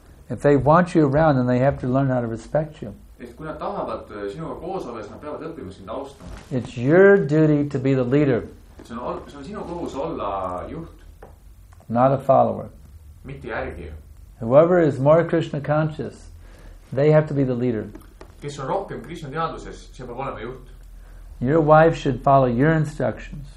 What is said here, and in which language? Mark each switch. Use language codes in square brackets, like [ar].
[en] If they want you around, then they have to learn how to respect you. [et] Et kui nad tahavad sinuga koos olla, siis nad peavad õppima sind austama. [en] It's your duty to be the leader. [et] See on sinu kohus olla juht. [en] Not a follower. [et] Mitte järgija. [en] Whoever is more Krishna conscious, they have to be the leader. [et] Kes on rohkem Krishna teaduses, see peab olema juht. [en] Your wife should follow your instructions.